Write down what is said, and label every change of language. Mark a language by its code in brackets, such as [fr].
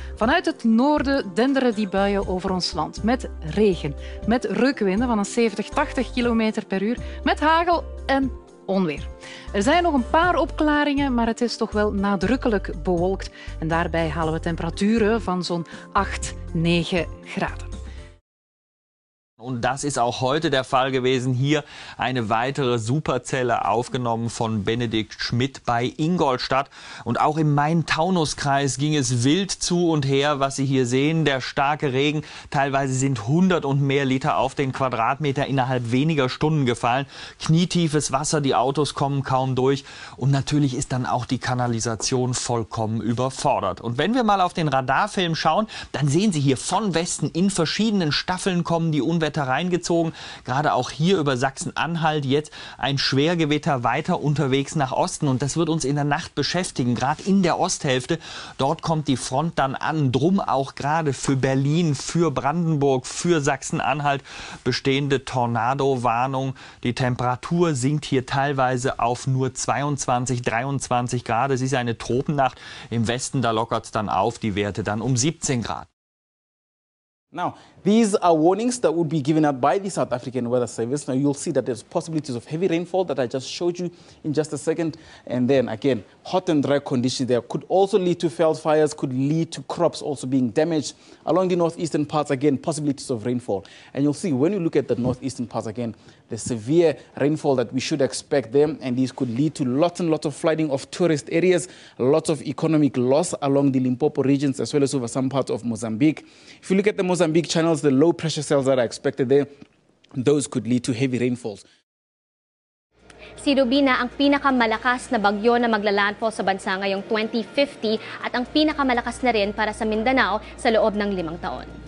[nl] Vanuit het noorden denderen die buien over ons land met regen, met rukwinden van een 70-80 km per uur, met hagel en onweer. Er zijn nog een paar opklaringen, maar het is toch wel nadrukkelijk bewolkt. En daarbij halen we temperaturen van zo'n 8-9 graden. [de] Und das ist auch heute der Fall gewesen. Hier eine weitere Superzelle aufgenommen von Benedikt Schmidt bei Ingolstadt. Und auch im Main-Taunus-Kreis ging es wild zu und her, was Sie hier sehen. Der starke Regen, teilweise sind 100 und mehr Liter auf den Quadratmeter innerhalb weniger Stunden gefallen. Knietiefes Wasser, die Autos kommen kaum durch. Und natürlich ist dann auch die Kanalisation vollkommen überfordert. Und wenn wir mal auf den Radarfilm schauen, dann sehen Sie hier von Westen in verschiedenen Staffeln kommen die Unwetter reingezogen, gerade auch hier über Sachsen-Anhalt jetzt ein Schwergewitter weiter unterwegs nach Osten und das wird uns in der Nacht beschäftigen, gerade in der Osthälfte, dort kommt die Front dann an, drum auch gerade für Berlin, für Brandenburg, für Sachsen-Anhalt bestehende Tornado-Warnung, die Temperatur sinkt hier teilweise auf nur 22, 23 Grad, es ist eine Tropennacht, im Westen da lockert es dann auf, die Werte dann um 17 Grad. [en] Now, these are warnings that would be given out by the South African Weather Service. Now, you'll see that there's possibilities of heavy rainfall that I just showed you in just a second. And then, again, hot and dry conditions there could also lead to failed fires, could lead to crops also being damaged. Along the northeastern parts, again, possibilities of rainfall. And you'll see, when you look at the northeastern parts, again, the severe rainfall that we should expect there, and this could lead to lots and lots of flooding of tourist areas, lots of economic loss along the Limpopo regions, as well as over some parts of Mozambique. If you look at the Mozambique channels, the low pressure cells that are expected there, those could lead to heavy rainfalls. [tl] Si Rubina ang pinakamalakas na bagyo na maglalandfall sa bansa ngayong 2050 at ang pinakamalakas na rin para sa Mindanao sa loob ng 5 taon.